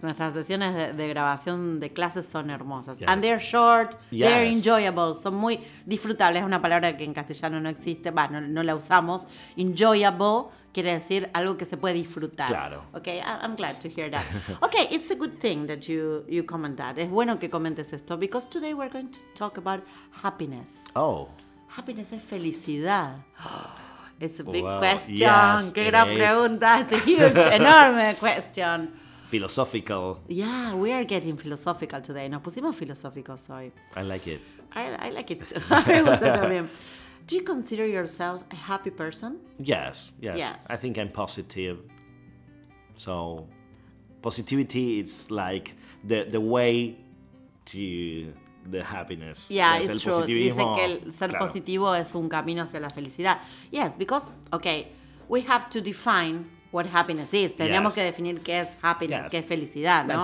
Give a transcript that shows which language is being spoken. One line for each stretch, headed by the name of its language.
Spanish: Nuestras sesiones de grabación de clases son hermosas.
English: Yes. And they're short. Yes. They're enjoyable.
Spanish: Son muy disfrutables. Es una palabra que en castellano no existe. Va, no la usamos. Enjoyable quiere decir algo que se puede disfrutar. Claro.
English: Okay, I'm glad to hear that. Okay, it's a good thing that you comment that.
Spanish: Es bueno que comentes esto,
English: because today we're going to talk about happiness. Oh. Happiness
Spanish: es felicidad.
English: It's a big question. Yes,
Spanish: qué gran pregunta.
English: It's a huge,
Spanish: enorme
English: question. Philosophical. Yeah, we are getting philosophical today.
Spanish: Nos pusimos filosóficos hoy.
English: I like it. I like it too.
Spanish: Me gusta también.
English: Do you consider yourself a happy person? Yes, yes. Yes. I think I'm positive. So, positivity is like the way to the happiness. Yeah, yes, it's true.
Spanish: Dicen que el ser positivo es un camino hacia la felicidad.
English: Yes, because, okay, we have to define what happiness is.
Spanish: Tenemos que definir qué es happiness, qué es felicidad, ¿no?